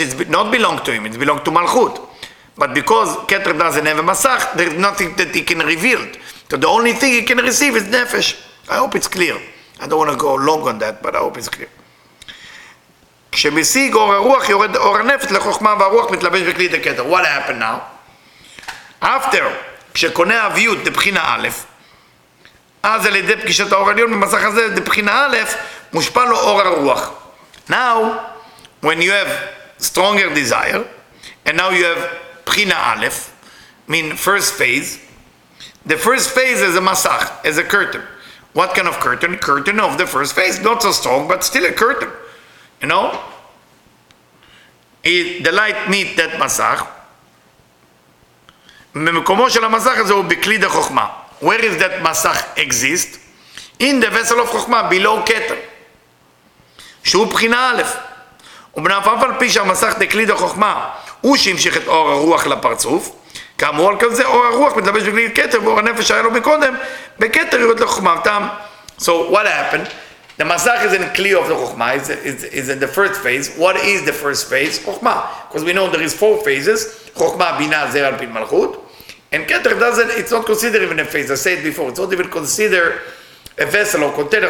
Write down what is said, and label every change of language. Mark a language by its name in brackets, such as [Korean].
[English] It's not belong to him, it's belong to מלכות. But because קטר doesn't have a מסך, there's nothing that he can reveal. So the only thing he can receive is נפש. I hope it's clear. I don't want to go long on that, but I hope it's clear. [Hebrew] כשמשיג אור הרוח, יורד אור הנפש לחוכמה והרוח מתלבש בכלי דה קטר. [English] What happened now? After, [Hebrew] כשקונה אביות דבחינה א', אז על ידי פגישת האור עליון במסך הזה, דבחינה א', מושפע לו אור הרוח. [English] Now, when you have stronger desire, and now you have בחינה א', mean first phase, the first phase is a מסך, is a curtain. What kind of curtain? Curtain of the first phase. Not so strong, but still a curtain. You know, the light meet that masach. [Hebrew] במקומו של המסך הזה הוא בכלי דה חוכמה. [English] Where is that masach exist? In the vessel of חוכמה, below קטר. [Hebrew] שהוא בחינה א'. ובנאפף על פי שהמסך דה כלי דה חוכמה, הוא שימשיך את אור הרוח לפרצוף. כאמור על כזה, אור הרוח מתלבש בכלי קטר, ואור הנפש היה לו מקודם, בקטר יורד לחוכמה. [English] So what happened? The masach is in the clear of the chokhmah, is in the first phase. What is the first phase? Chokhmah. Because we know there is four phases. Chokhmah, Bina, Zer, Alpin, Malchut. And Keter doesn't, it's not considered even a phase. I said it before, it's not even considered a vessel or container.